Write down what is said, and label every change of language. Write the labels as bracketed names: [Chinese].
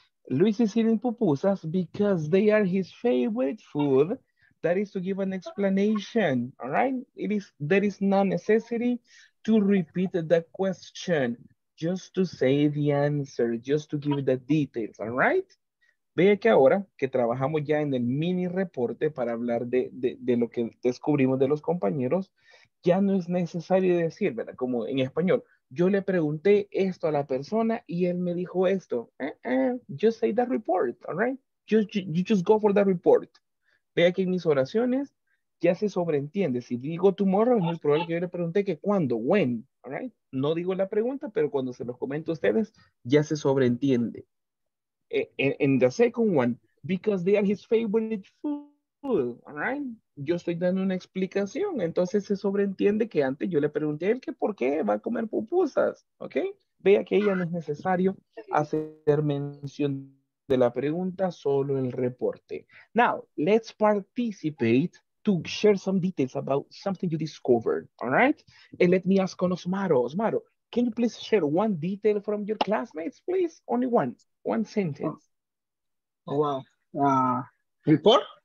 [English] Luis is eating pupusas because they are his favorite food. That is to give an explanation, all right? There is no necessity to repeat the question, just to say the answer, just to give the details, all right? [Spanish] Vea que ahora que trabajamos ya en el mini reporte para hablar de lo que descubrimos de los compañeros, ya no es necesario decir, ¿verdad? Como en español, yo le pregunté esto a la persona y él me dijo esto. [English] Just say the report, all right? You just go for the report. [Spanish] Vea que en mis oraciones ya se sobreentiende. Si digo tomorrow, es muy probable que yo le pregunte que cuándo, when, all right? No digo la pregunta, pero cuando se los comento a ustedes, ya se sobreentiende. [English] In the second one, because they are his favorite food, all right? [Spanish] Yo estoy dando una explicación, entonces se sobreentiende que antes yo le pregunté a él que por qué va a comer pupusas, okay? Vea que ya no es necesario hacer mención de la pregunta, solo el reporte. [English] Now, let's participate to share some details about something you discovered, all right? And let me ask Osmaro. Osmaro, can you please share one detail from your classmates, please? Only one. One sentence. Oh, wow. Report?